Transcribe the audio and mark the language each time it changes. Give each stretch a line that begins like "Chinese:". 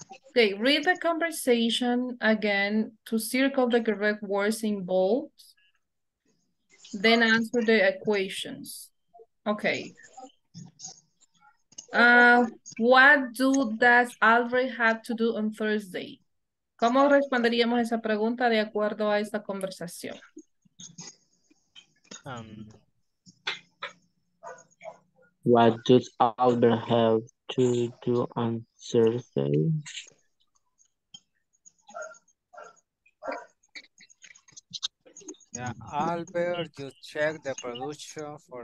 English: Okay, read the conversation again to circle the correct words in bold, then answer the equations. Okay. What does Alfred have to do on Thursday?
Spanish: ¿Cómo responderíamos esa pregunta de acuerdo a esta conversación?
English: What does Alfred have to do on Thursday? Yeah, Albert, you check the production for